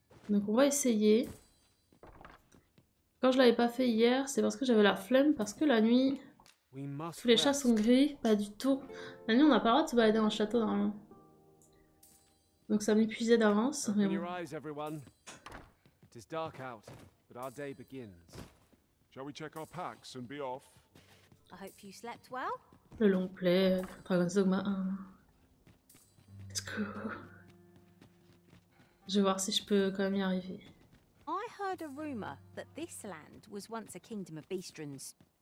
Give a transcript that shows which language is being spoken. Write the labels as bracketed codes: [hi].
[fr] Donc on va essayer. Quand je l'avais pas fait hier, c'est parce que j'avais la flemme, parce que la nuit, tous les chats sont gris, pas du tout. La nuit, on n'a pas le droit de se balader dans le château normalement. Donc ça m'épuisait d'avance, mais bon. [en] Eyes, everyone. It is dark out, but our day begins. Shall we check our packs and be off? I hope you slept well. [fr] Le long play, [en] Dragon's Dogma 1. Let's go. [fr] Je vais voir si je peux quand même y arriver. [en] I heard a rumor that this land was once a kingdom of beastrons.